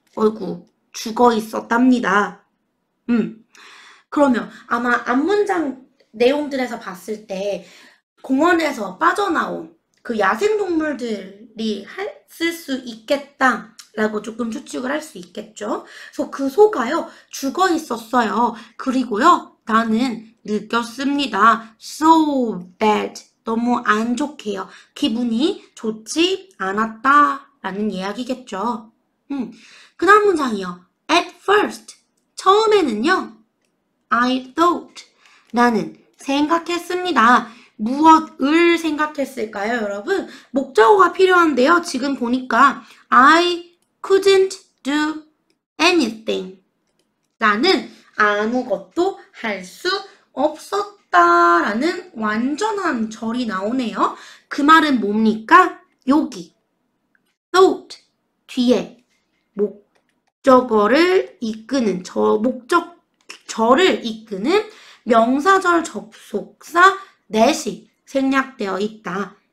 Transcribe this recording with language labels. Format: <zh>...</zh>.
<ko>어이구, 죽어 있었답니다. 그러면 아마 앞 문장 내용들에서 봤을 때 공원에서 빠져나온 그 야생동물들이 했을 수 있겠다 라고 조금 추측을 할수 있겠죠? 그래서 그 소가요, 죽어 있었어요. 그리고요, 나는 느꼈습니다.</ko> <en>So bad.</en> <ko>너무 안 좋게요. 기분이 좋지 않았다라는 이야기겠죠? 그 다음 문장이요.</ko> <en>At first.</en> <ko>처음에는요,</ko> <en>I thought.</en> <ko>나는 생각했습니다. 무엇을 생각했을까요, 여러분? 목적어가 필요한데요. 지금 보니까</ko> <en>I couldn't do anything.</en> <ko>나는 아무것도 할수 없었다라는 완전한 절이 나오네요. 그 말은 뭡니까? 여기 thought 뒤에 목적어를 이끄는 저 목적 절을 이끄는 명사절 접속사 that이 생략되어 있다.</ko>